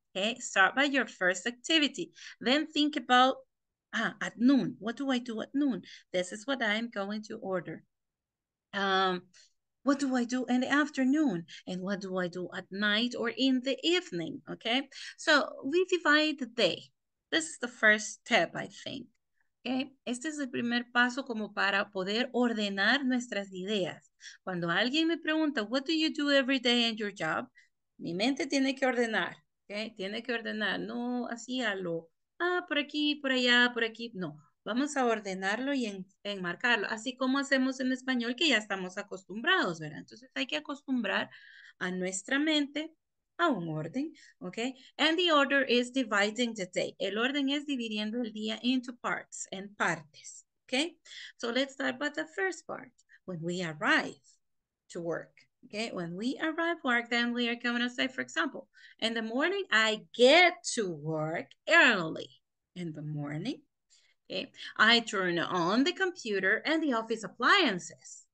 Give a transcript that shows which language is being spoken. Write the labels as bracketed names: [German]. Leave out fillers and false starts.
[English] Okay, start by your first activity. Then think about, at noon, what do I do at noon? This is what I'm going to order. What do I do in the afternoon? And what do I do at night or in the evening? Okay, so we divide the day. This is the first step, I think. [Spanish] Okay, este es el primer paso como para poder ordenar nuestras ideas. Cuando alguien me pregunta, [English] what do you do every day in your job? [Spanish] Mi mente tiene que ordenar. Okay, tiene que ordenar, no así a lo, por aquí, por allá, por aquí. No, vamos a ordenarlo y enmarcarlo, así como hacemos en español, que ya estamos acostumbrados, ¿verdad? Entonces hay que acostumbrar a nuestra mente a un orden, okay? [English] And the order is dividing the day. [Spanish] El orden es dividiendo el día [English] into parts, [Spanish] en partes, [English] okay? So let's start with the first part, when we arrive to work. Okay, when we arrive work, then we are going to say, for example, in the morning, I get to work early in the morning. Okay, I turn on the computer and the office appliances.